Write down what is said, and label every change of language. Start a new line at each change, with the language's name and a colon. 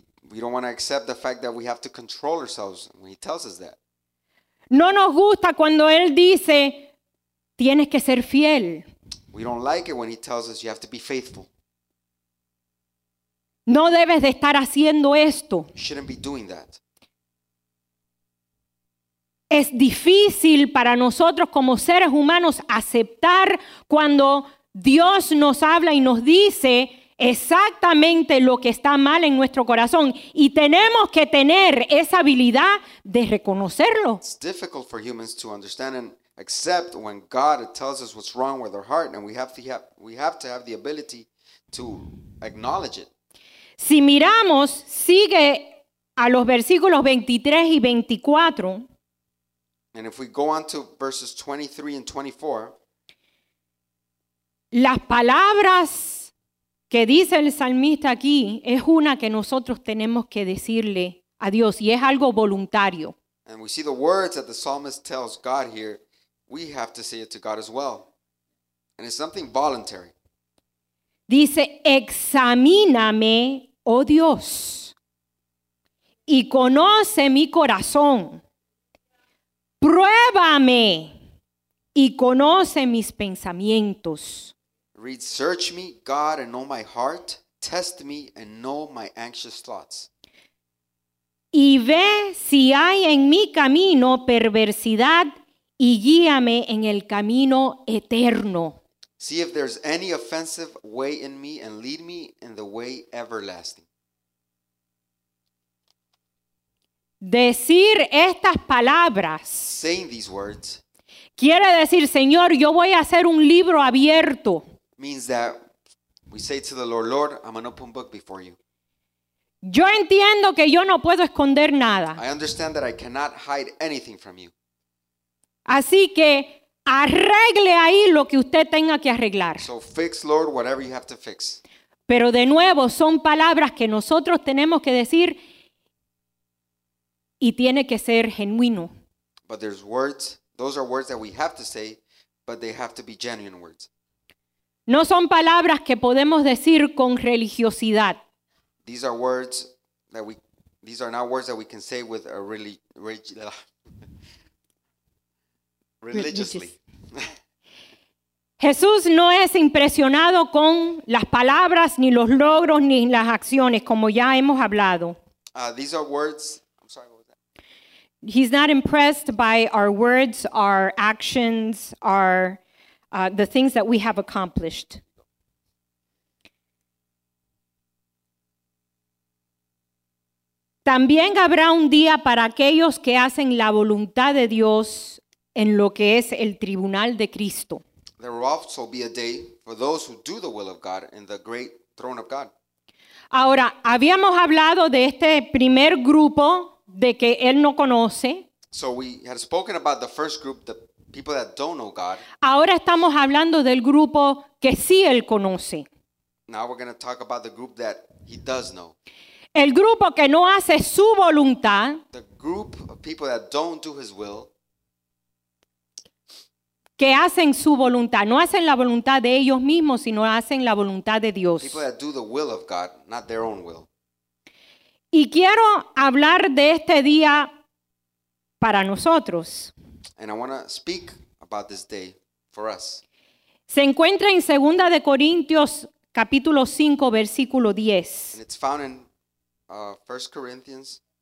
English: We don't want to accept the fact that we have to control ourselves when He tells us that.
Spanish: No nos gusta cuando Él dice, tienes que ser fiel.
English: We don't like it when He tells us you have to be faithful.
Spanish: No debes de estar haciendo esto.
English: You shouldn't be doing that.
Spanish: Es difícil para nosotros como seres humanos aceptar cuando Dios nos habla y nos dice exactamente lo que está mal en nuestro corazón, y tenemos que tener esa habilidad de reconocerlo.
English: It's difficult for humans to understand and accept when God tells us what's wrong with our heart, and we have to have the ability to acknowledge it.
Spanish: Si miramos, sigue a los versículos 23 y 24.
English: And if we go on to verses 23 and 24,
Spanish: las palabras que dice el salmista aquí es una que nosotros tenemos que decirle a Dios, y es algo voluntario.
English: And we see the words that the psalmist tells God here, we have to say it to God as well. And it's something voluntary.
Spanish: Dice, examíname, oh Dios, y conoce mi corazón. Pruébame y conoce mis pensamientos.
English: Read, search me, God, and know my heart. Test me and know my anxious thoughts.
Spanish: Y ve si hay en mi camino perversidad y guíame en el camino eterno.
English: See if there's any offensive way in me and lead me in the way everlasting.
Spanish: Decir estas palabras.
English: Saying these words.
Spanish: Quiere decir, Señor, yo voy a hacer un libro abierto.
English: Means that we say to the Lord, Lord, I'm going to open a book before you.
Spanish: Yo entiendo que yo no puedo esconder nada.
English: I understand that I cannot hide anything from you.
Spanish: Así que arregle ahí lo que usted tenga que arreglar.
English: So fix, Lord, whatever you have to fix.
Spanish: Pero de nuevo, son palabras que nosotros tenemos que decir y tiene que ser genuino.
English: But there's words, those are words that we have to say, but they have to be genuine words.
Spanish: No son palabras que podemos decir con religiosidad.
English: These are words that we, these are not words that we can say with a really, religiously.
Spanish: Jesús no es impresionado con las palabras, ni los logros, ni las acciones, como ya hemos hablado.
English: These are words, I'm sorry, what was that? He's not impressed by our words, our actions, our the things that we have accomplished.
Spanish: También habrá un día para aquellos que hacen la voluntad de Dios en lo que es el tribunal de Cristo.
English: There will also be a day for those who do the will of God in the great throne of God.
Spanish: Ahora, habíamos hablado de este primer grupo de que él no conoce.
English: So we had spoken about the first group, the people that don't know God.
Spanish: Ahora estamos hablando del grupo que sí él conoce.
English: Now we're going to talk about the group that he does know.
Spanish: El grupo que no hace su voluntad.
English: The group of people that don't do his will.
Spanish: Que hacen su voluntad. No hacen la voluntad de ellos mismos, sino hacen la voluntad de Dios.
English: People that do the will of God, not their own will.
Spanish: Y quiero hablar de este día para nosotros.
English: And I want to speak about this day for us.
Spanish: Se encuentra en 2 de Corintios, capítulo 5, versículo 10.
English: And it's found in 1 Corinthians.